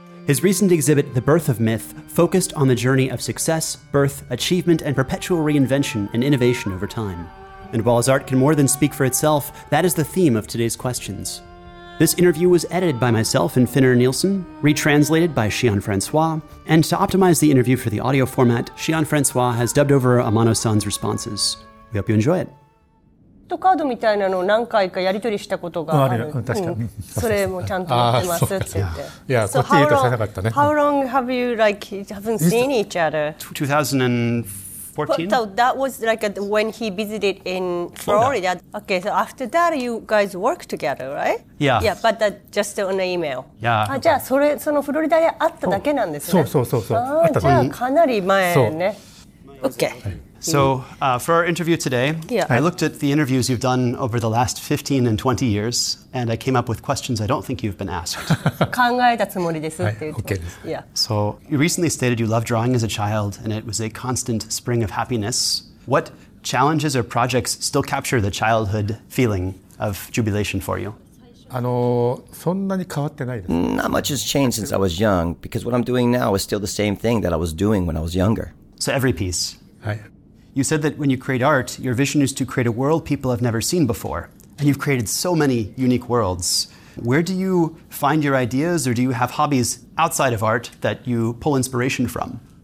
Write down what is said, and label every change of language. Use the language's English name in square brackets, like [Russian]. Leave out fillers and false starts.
[English] His recent exhibit, The Birth of Myth, focused on the journey of success, birth, achievement, and perpetual reinvention and innovation over time. And while his art can more than speak for itself, that is the theme of today's questions. This interview was edited by myself and Finner Nielsen, retranslated by Shion Francois, and to optimize the interview for the audio format, Shion Francois has dubbed over Amano-san's responses. We hope you enjoy it. [Japanese] とカードみたいなのを何回かやり取りしたことがある。確かに、うん、それもちゃんと持ってますって言って。いや、こっち言うとされなかったね。 [English] How long have you like haven't seen each other? 2014. But that was like a, when he visited in Florida. Okay, so after that you guys worked together, right? Yeah. Yeah, but that just on an email. Yeah. [Japanese] あ、じゃあそれそのフロリダで会っただけなんですね。そうそうそうそう。あ、じゃあかなり前ね。 [English] Okay. So for our interview today, yeah. I looked at the interviews you've done over the last 15 and 20 years, and I came up with questions I don't think you've been asked. [Japanese] 考えたつもりですって言って。 [English] Okay. Yeah. So you recently stated you loved drawing as a child, and it was a constant spring of happiness. What challenges or projects still capture the childhood feeling of jubilation for you? [Japanese] そんなに変わってないです。 [English] Not much has changed since I was young, because what I'm doing now is still the same thing that I was doing when I was younger. So every piece. [Japanese] はい。 [English] You said that when you create art, your vision is to create a world people have never seen before. And you've created so many unique worlds. Where do you find your ideas, or do you have hobbies outside of art that you pull inspiration from?